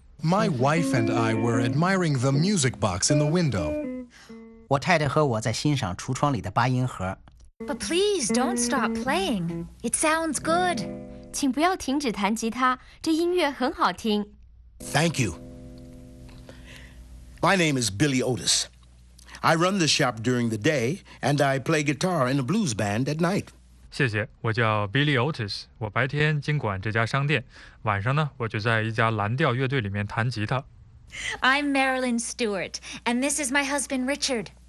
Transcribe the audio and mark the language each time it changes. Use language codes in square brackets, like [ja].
[en] My wife and I were admiring the music box in the window. [zh] 我太太和我在欣赏橱窗里的八音盒。 [en] But please don't stop playing. It sounds good. [zh] 请不要停止弹吉他，这音乐很好听。 [en] Thank you. My name is Billy Otis. I run the shop during the day, and I play guitar in a blues band at night. [zh] 谢谢，我叫 Billy Otis， 我白天经管这家商店，晚上呢，我就在一家蓝调乐队里面弹吉他。 [en] I'm Marilyn Stewart, and this is my husband Richard.